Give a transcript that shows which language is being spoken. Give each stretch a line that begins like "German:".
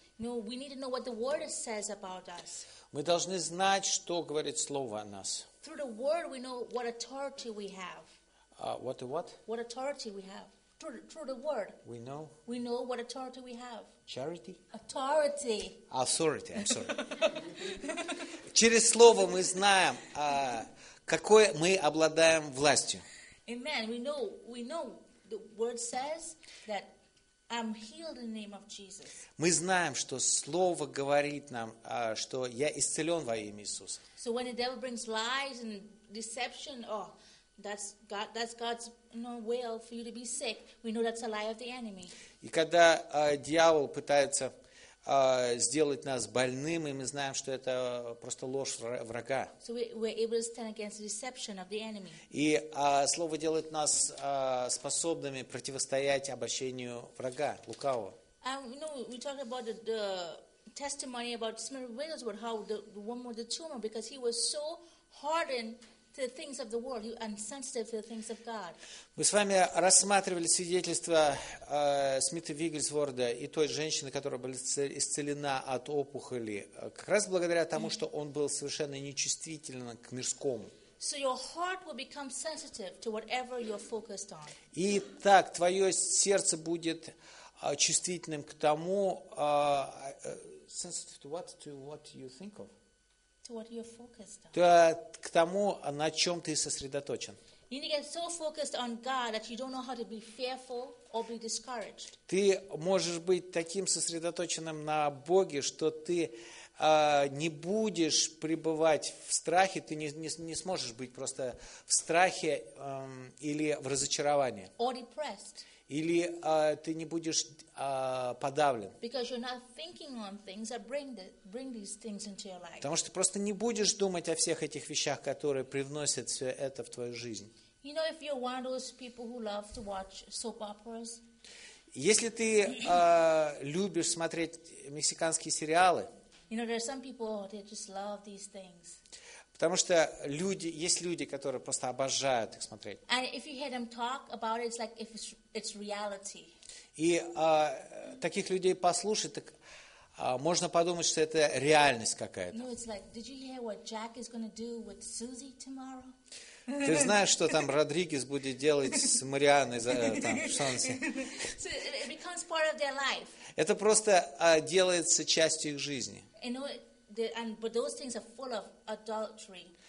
English: No, we need to know what the Word says about us.
Russian: Мы должны знать, что говорит Слово о нас.
English: Through the Word we know what authority we have. What authority we have. Through the word. We know what authority we have. Charity? Authority. Authority, I'm sorry.
Russian: Через слово мы знаем, какое мы обладаем властью.
English: Amen. We know the word says that I'm healed in the name of Jesus.
Russian: Мы знаем, что слово говорит нам, что я исцелен во имя Иисуса.
English: So when the devil brings lies and deception, That's God's will for you to be sick. We know that's a lie of the enemy.
Russian: И когда дьявол пытается сделать нас больными, мы знаем, что это просто ложь врага.
English: So we're able to stand against the deception of the enemy.
Russian: И слово делает нас способными противостоять обольщению врага, лукавого.
English: We talk about the testimony about Smith Wigglesworth, how the woman with the tumor, because he was so hardened to the things of the world, he was unsensitive to the things of God.
Russian: Мы с вами рассматривали свидетельство Смита Вигглсворда и той женщины, которая была исцелена от опухоли, как раз благодаря тому, что он был совершенно нечувствителен к мирскому.
English: So your heart will become sensitive to whatever you're focused on.
Russian: И так твое сердце будет чувствительным к тому,
English: sensitive to what you think of. To what you're focused on.
Russian: К тому, на чем ты сосредоточен.
English: You need to get so focused on God that you don't know how to be fearful or be discouraged.
Russian: Ты можешь быть таким сосредоточенным на Боге, что ты не будешь пребывать в страхе, ты не сможешь быть просто в страхе или в разочаровании.
English: Or depressed.
Russian: Или ты не будешь подавлен.
English: Because you're not thinking on things that bring these things into your life.
Russian: Потому что просто не будешь думать о всех этих вещах, которые привносят все это в твою жизнь.
English: You know, if you're one of those people who love to watch soap operas.
Russian: Если ты любишь смотреть мексиканские сериалы.
English: You know, there are some people that just love these things.
Russian: Потому что люди, есть люди, которые просто обожают их смотреть.
English: And if you hear them talk about it, it's like if it's reality.
Russian: И таких людей послушать, так можно подумать, что это реальность какая-то.
English: No, it's like, did you hear what Jack is going to do with Susie tomorrow?
Russian: Ты знаешь, что там Родригес будет делать с Марианой там, в Шансе?
English: So it becomes part of their life.
Russian: Это просто делается частью их жизни.
English: But those things are full of adultery.